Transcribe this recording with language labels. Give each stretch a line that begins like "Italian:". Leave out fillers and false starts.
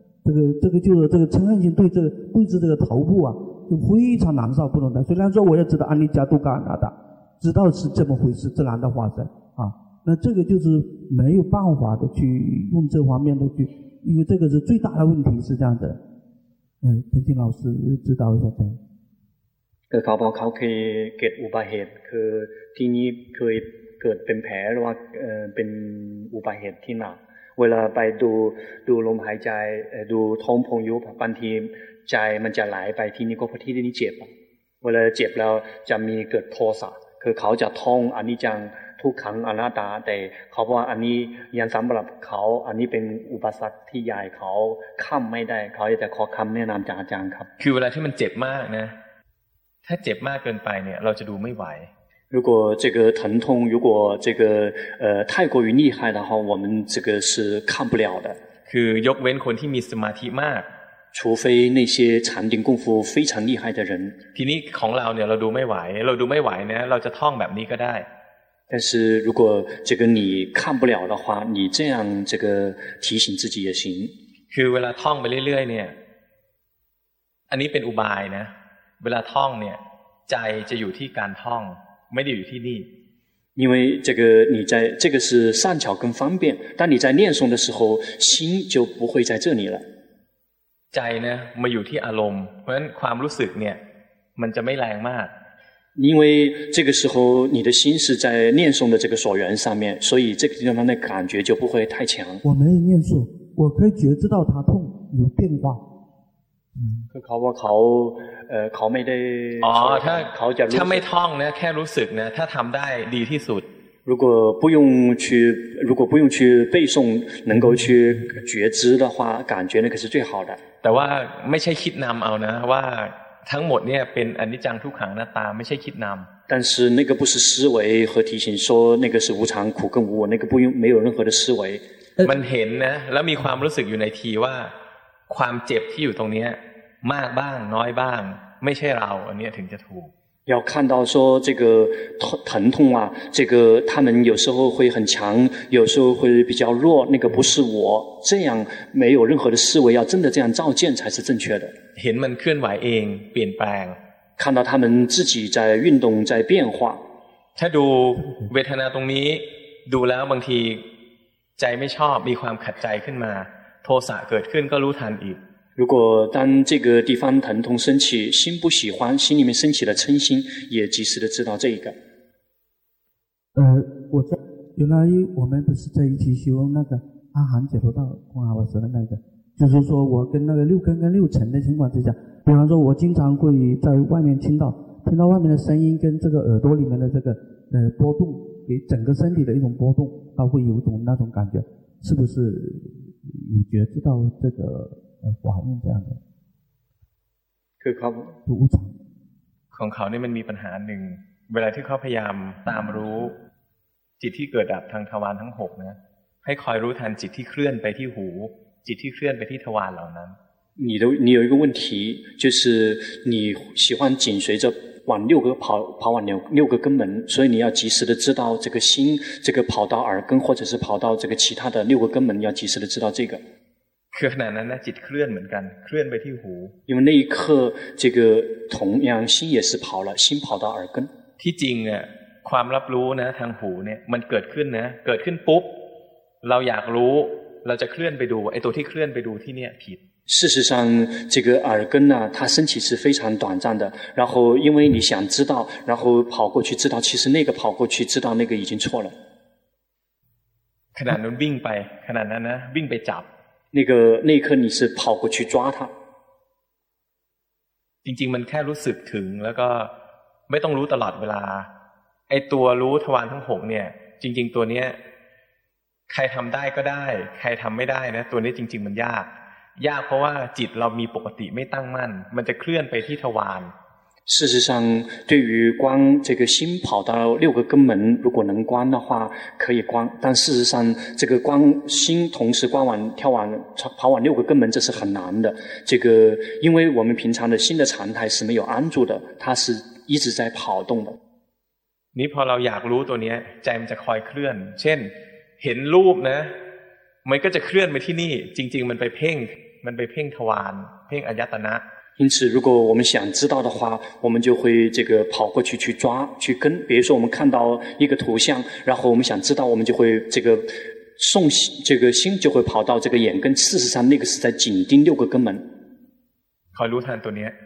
Chinese: 这个就是这个嗔恨心对这个对治这个头部啊，就非常难受不能的。虽然说我也知道安利加杜嘎拿达，知道是这么回事，自然的发生啊。那这个就是没有办法的去用这方面的去，因为这个是最大的问题是这样子的。陈静老师指导一下对。
Thai: เขาบอกเขาเคยเกิดอุบัติเหตุคือที่นี่เคยเกิดเป็นแผลหรือว่าเป็นอุบัติเหตุที่หนักเวลาไปดูลมหายใจดูท้องพองยุบบางทีใจมันจะไหลไปที่นี่ก็เพราะที่นี่เจ็บเวลาเจ็บแล้วจะมีเกิดโทสะคือเขาจะท่องอนิจจังทุกขังอนัตตาแต่เขาบอกว่าอันนี้ยังสำหรับเขาอันนี้เป็นอุปสรรคที่ใหญ่เขาข้ามไม่ได้เขาจะขอคำแนะนำจากอาจารย์ครับ คือเวลาที่มันเจ็บมากนะถ้าเจ็บมากเกินไปเนี่ยเราจะดูไม่ไหว
Chinese: 如果这个疼痛如果这个太过于厉害的话我们这个是看不了的
Thai: คือยกเว้นคนที่มีสมาธิมาก
Chinese: 除非那些禅定功夫非常厉害的人
Thai: ทีนี้ของเราเนี่ยเราดูไม่ไหวนะเราจะท่องแบบนี้ก็ได้
Chinese: 但是如果这个你看不了的话你这样这个提醒自己也行
Thai: คือเวลาท่องไปเรื่อยๆเนี่ยอันนี้เป็นอุบายนะเวลาท่องเนี่ยใจจะอยู่ที่การท่องไม่ได้อยู่ที่นี่
Chinese: 因为这个你在这个是善巧跟方便当你在念诵的时候心就不会在这里了
Thai: ใจนะมาอยู่ที่อารมณ์เพราะฉะนั้นความรู้สึกเนี่ยมันจะไม่แรงมาก
Chinese: 因为这个时候你的心是在念诵的这个所缘上面，所以这个地方的感觉就不会太强。我没有念诵，我可以觉知到他痛有变化。嗯，他考我考考没得哦，他考着他没痛呢，
Thai: แค่รู้สึก
Chinese: 呢，他
Thai: ทำได้ดีที่สุด。
Chinese: 如果不用去背诵，能够去觉知的话，感觉那可是最好的。
Thai: แต่ว่าไม่ใช่คิดนำเอานะว่าทั้งหมดเนี่ยเป็นอนิจจังทุกขังหน้าตาไม่ใช่คิดนำ
Chinese: 但是那个不是思维和提醒说那个是无常苦跟无我那个不用没有任何的思维
Thai: มันเห็นนะแล้วมีความรู้สึกอยู่ในทีว่าความเจ็บที่อยู่ตรงนี้มากบ้างน้อยบ้างไม่ใช่เราอันนี้ถึงจะถูก
Chinese: 要看到说这个疼痛啊这个他们有时候会很强有时候会比较弱那个不是我这样没有任何的思维要真的这样照见才是正确的
Thai: เห็นมันเคลื่อนไหวเองเปลี่ยนแปลง
Chinese: 看到他们自己在运动在变化
Thai: ถ้าดูเวทนาตรงนี้ดูแล้วบางทีใจไม่ชอบมีความขัดใจขึ้นมาโทสะเกิดขึ้นก็รู้ทันอีก
Chinese: 如果当这个地方疼痛升起心不喜欢心里面升起了嗔心也及时的知道这一个我在原来我们不是在一起修那个阿含解脱道空阿瓦舍的那个就是说我跟那个六根跟六尘的情况之下比方说我经常会在外面听到外面的声音跟这个耳朵里面的这个波动给整个身体的一种波动它会有一种那种感觉是不是有觉知到这个寡用这样的
Thai: คือเขา ดูอุจจาระ ของเขาเนี่ยมันมีปัญหาหนึ่งเวลาที่เขาพยายามตามรู้จิตที่เกิดดับทางทวารทั้งหกนะให้คอยรู้ทันจิตที่เคลื่อนไปที่หูจิตที่เคลื่อนไปที่ทวารเหล่านั้น
Chinese: 你有一个问题就是你喜欢紧随着往六个跑往六个根门所以你要及时的知道这个心这个跑到耳根或者是跑到这个其他的六个根门要及时的知道这个
Thai: คือขณะนั้นนะจิตเคลื่อนเหมือนกันเคลื่อนไปที่หู
Chinese: 因为那一刻这个同样心也是跑了心跑到耳根
Thai: ที่จริงอ่ะความรับรู้นะทางหูเนี่ยมันเกิดขึ้นนะเกิดขึ้นปุ๊บเราอยากรู้เราจะเคลื่อนไปดูไอ้ตัวที่เคลื่อนไปดูที่เนี่ยผิด
Chinese: 事实上这个耳根呢它升起是非常短暂的然后因为你想知道然后跑过去知道其实那个跑过去知道那个已经错了
Thai: ขณะนั้นวิ่งไปขณะนั้นนะวิ่งไปจับ
Chinese: 那一刻你是跑过去抓他
Thai: จริงๆมันแค่รู้สึกถึงแล้วก็ไม่ต้องรู้ตลอดเวลาไอตัวรู้ทวารทั้ง6เนี่ยจริงๆตัวเนี้ยใครทำได้ก็ได้ใครทำไม่ได้นะตัวนี้จริงๆมันยากยากเพราะว่าจิตเรามีปกติไม่ตั้งมั่นมันจะเคลื่อนไปที่ทวาร
Chinese: 事实上对于观这个心跑到六个根门如果能观的话可以观但事实上这个观心同时观完跳完跑完六个根门这是很难的这个因为我们平常的心的常态是没有安住的它是一直在跑动的
Thai: นี่พอเราอยากรู้ตัวนี้ใจมันจะคอยเคลื่อนเช่นเห็นรูปนะมันก็จะเคลื่อนไปที่นี่จริงๆมันไปเพ่งทวารเพ่งอายตนะ
Chinese: 因此如果我们想知道的话我们就会这个跑过去去抓去跟比如说我们看到一个图像然后我们想知道我们就会这个送这个心就会跑到这个眼根事实上那个是在紧盯六个根门考虑探多年